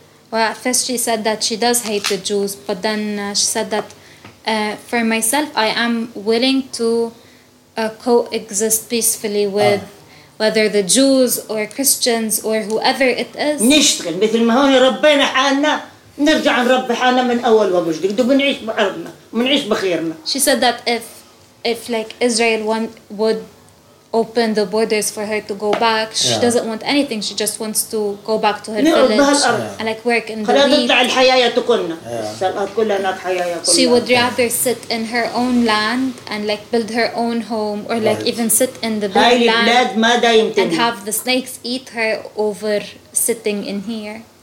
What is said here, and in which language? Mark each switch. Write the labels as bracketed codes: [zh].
[en] Well, at first she said that she does hate the Jews, but then she said that for myself, I am willing to coexist peacefully with whether the Jews or Christians or whoever it is. [ar] نشتغل مثل ما هون ربينا حالنا نرجع نربي حالنا من أول وبجدد وبنعيش بأرضنا وبنعيش بخيرنا. [en] She said that if like Israel would open the borders for her to go back. She doesn't want anything. She just wants to go back to her village and like work in the wheat. She would rather sit in her own land and like build her own home or like even sit in the big land and have the snakes eat her over sitting in here.